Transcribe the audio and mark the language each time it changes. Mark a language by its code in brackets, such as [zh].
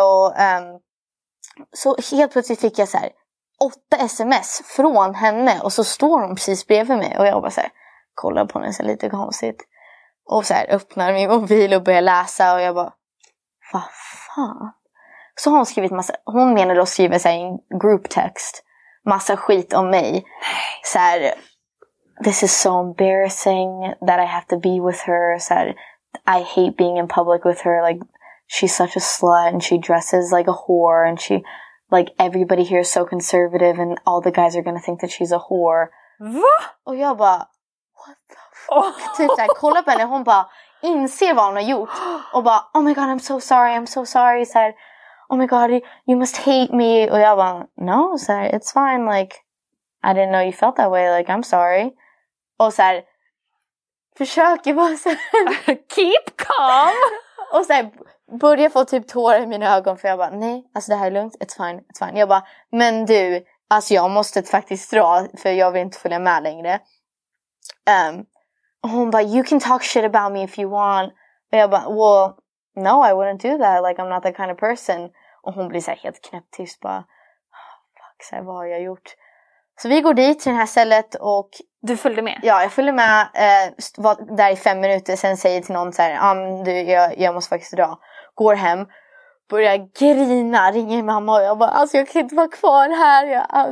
[sv] Och så helt plötsligt fick jag så här 8 sms från henne. Och så står hon precis bredvid mig. Och jag bara så här, kollar på henne så lite konstigt. Och så här öppnar min mobil och börjar läsa. Och jag bara, vad fan? Så har hon skrivit massa, hon menade att skriva så här en group text, massa skit om mig. Så här, [en] this is so embarrassing that I have to be with her. [sv] Så här, [en] I hate being in public with her. Like, she's such a slut and she dresses like a whore. And she, like, everybody here is so conservative and all the guys are gonna think that she's a whore. [sv] Va? Och jag bara, [en] what the fuck? [sv] Typ så här, kolla på henne, hon bara inser vad hon har gjort och bara, [en] oh my god, I'm so sorry, [sv] så här, [en] oh my god, you must hate me. [sv] Och jag bara, [en] no, [sv] så här, [en] it's fine, like, I didn't know you felt that way, like, I'm sorry. [sv] Och så här, försöker bara så här, [en] keep calm. [sv] Och så här, börjar få typ tårar i mina ögon, för jag bara, nej, alltså det här är lugnt, [en] it's fine. [sv] Jag bara, men du, alltså jag måste faktiskt dra, för jag vill inte följa med längre. Hon bara, [en] you can talk shit about me if you want. [sv] Och jag bara, [en] well, no, I wouldn't do that. Like, I'm not that kind of person. [sv] Och hon blir så helt knäpptyst. Bara, [en] oh, fuck, [sv] så här, vad har jag gjort? Så vi går dit till det här stället och du följde med? Ja, jag följde med. Var där i 5 minuter. Sen säger till någon så här, jag måste faktiskt dra. Går hem. Börjar grina, ringer mamma. Och jag bara, alltså jag kan inte vara kvar här.